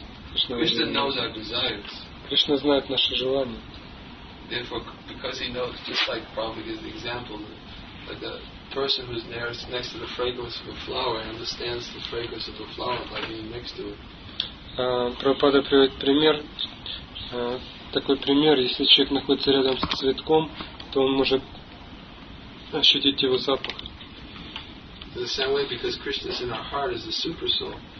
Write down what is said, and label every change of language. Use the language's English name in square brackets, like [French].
[English] Krishna knows our desires. [Russian] Krishna знает наши желания. [English] Therefore, because he knows, just like Prabhupada gives the example, like a person who's nearest, next to the fragrance of a flower understands the fragrance of the flower by being next to it. [Russian] Прабхупада приводит пример. Такой пример, если человек находится рядом с цветком, то он может ощутить его запах. [English] The same way, because Krishna is in our heart as the super soul.